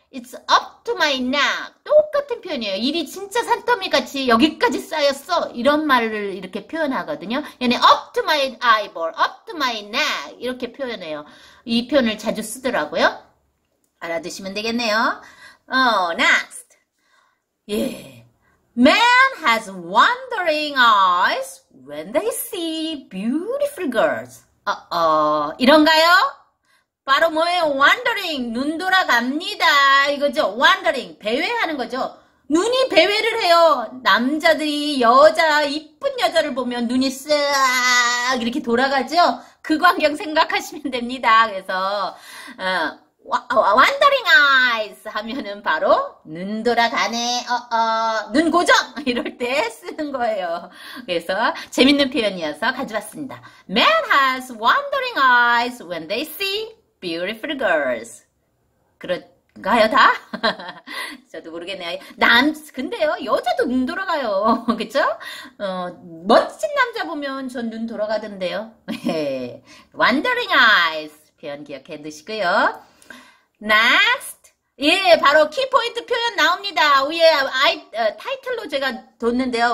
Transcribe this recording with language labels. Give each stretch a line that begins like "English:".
English: It's up to my neck.
Korean: 똑같은 표현이에요. 일이 진짜 산더미 같이 여기까지 쌓였어. 이런 말을 이렇게 표현하거든요. 얘네
English: up to my eyeball, up to my neck
Korean: 이렇게 표현해요. 이 표현을 자주 쓰더라고요. 알아두시면 되겠네요. Next. 예.
English: Man has wandering eyes when they see beautiful girls.
Korean: 이런가요? 바로 뭐예요? Wandering, 눈 돌아갑니다. 이거죠? Wandering, 배회하는 거죠? 눈이 배회를 해요. 남자들이 여자, 이쁜 여자를 보면 눈이 쓱 이렇게 돌아가죠? 그 광경 생각하시면 됩니다. 그래서, Wandering eyes 하면은 바로 눈 돌아가네. 눈 고정! 이럴 때 쓰는 거예요. 그래서 재밌는 표현이어서 가져왔습니다.
English: Man has wandering eyes when they see beautiful girls.
Korean: 그런가요, 다? 저도 모르겠네요. 근데요, 여자도 눈 돌아가요. 그쵸? 멋진 남자 보면 전눈 돌아가던데요. Wandering eyes 표현 기억해 두시고요. Next. 예, 바로 키포인트 표현 나옵니다. 위에 타이틀로 제가 뒀는데요.